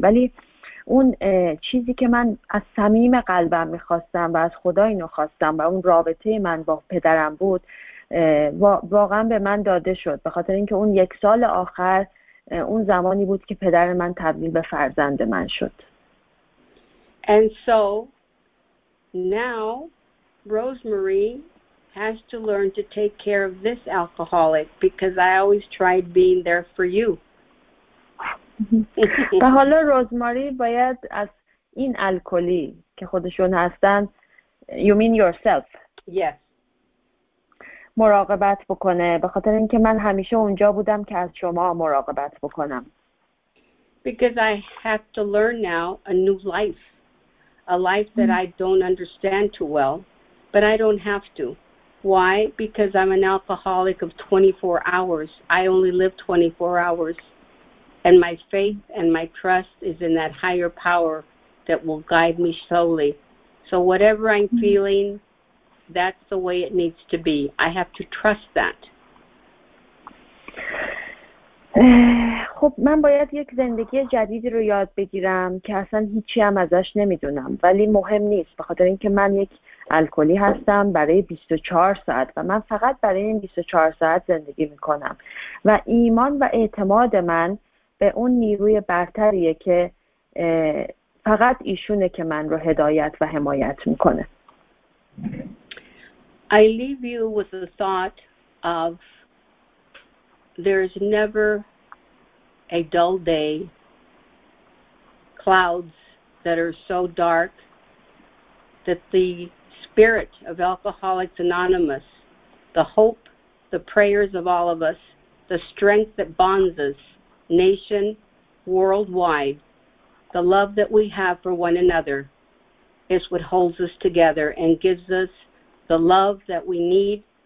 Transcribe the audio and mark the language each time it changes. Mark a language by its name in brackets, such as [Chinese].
[Persian] ولی اون چیزی که من از صمیم قلبم می‌خواستم و از خدا اینو خواستم و اون رابطه من با پدرم بود، واقعا به من داده شد، به خاطر اینکه اون یک سال آخر اون زمانی بود که پدر من تبدیل به فرزند من شد. [English] And so now Rosemary has to learn to take care of this alcoholic because I always tried being there for you. [Persian] و حالا روزماری باید از این الکلی که خودشون هستن، [English] you mean yourself. Yes. [Persian] مراقبت بکنه، به خاطر اینکه من همیشه اونجا بودم که از شما مراقبت بکنم. [English] Because I have to learn now a new life. a life that I don't understand too well, but I don't have to. Why? Because I'm an alcoholic of 24 hours. I only live 24 hours. And my faith and my trust is in that higher power that will guide me slowly. So whatever I'm feeling, that's the way it needs to be. I have to trust that. [Persian] خب من باید یک زندگی جدیدی رو یاد بگیرم که اصلا هیچی هم ازش نمیدونم، ولی مهم نیست، بخاطر اینکه من یک الکلی هستم برای 24 ساعت و من فقط برای این 24 ساعت زندگی میکنم و ایمان و اعتماد من به اون نیروی برتریه که فقط ایشونه که من رو هدایت و حمایت میکنه. [English] I leave you with the thought of there's never a dull day, clouds that are so dark that the spirit of Alcoholics Anonymous, the hope, the prayers of all of us, the strength that bonds us, nation, worldwide, the love that we have for one another is what holds us together and gives us the love that we need.